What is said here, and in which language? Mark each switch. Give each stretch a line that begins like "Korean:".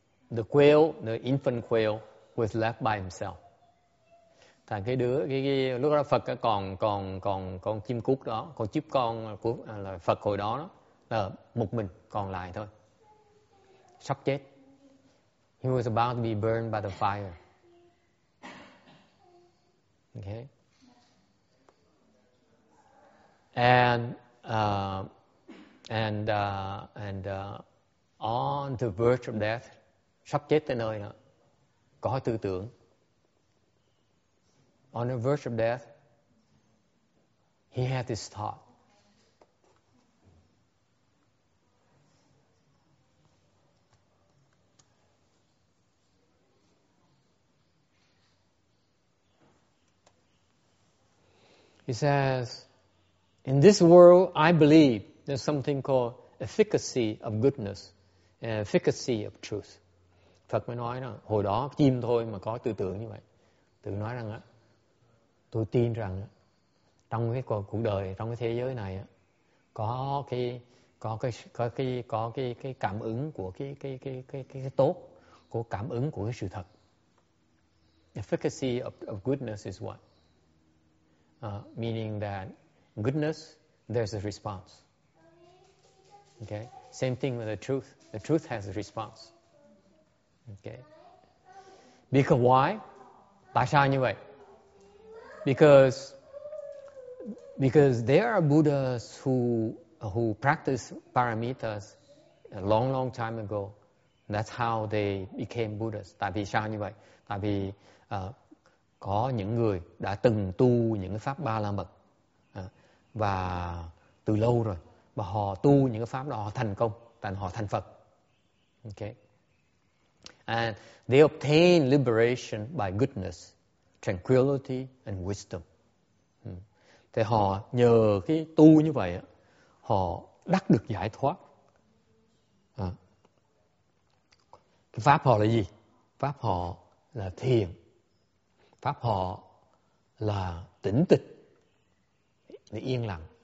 English: The quail, the infant quail, was left by himself.
Vietnamese: Thành cái đứa cái lúc đó Phật còn con chim cút đó, con chip con của là Phật hồi đó, đó là một mình còn lại thôi, sắp chết.
English: He was about to be burned by the fire. Okay. And on the verge of death,
Vietnamese: sắp chết tới nơi đó, có tư tưởng.
English: On the verge of death, he had this thought. He says, in this world, I believe there's something called efficacy of goodness and efficacy of truth.
Vietnamese: Phật mới nói là hồi đó chim thôi mà có tư tưởng như vậy. Tự nói rằng á, tôi tin rằng á, trong cái cuộc đời, trong cái thế giới này á, có cái cảm ứng của cái tốt, của cảm ứng của cái sự thật.
English: Efficacy of goodness is what? Meaning that goodness, there's a response. Okay? Same thing with the truth. The truth has a response. Okay. Because why?
Vietnamese: Tại sao như vậy?
English: Because there are Buddhas who practiced paramitas a long long time ago. That's how they became Buddhas.
Vietnamese: Tại vì sao như vậy? Tại vì có những người đã từng tu những pháp ba la mật và từ lâu rồi, và họ tu những pháp đó họ thành công, thành họ thành Phật.
English: Okay. And they obtain liberation by goodness, tranquility, and wisdom.
Vietnamese: Thì họ nhờ cái tu như vậy, họ đắc được giải thoát. Cái pháp họ là gì? Pháp họ là thiền. Pháp họ là tĩnh tịch, là yên lặng.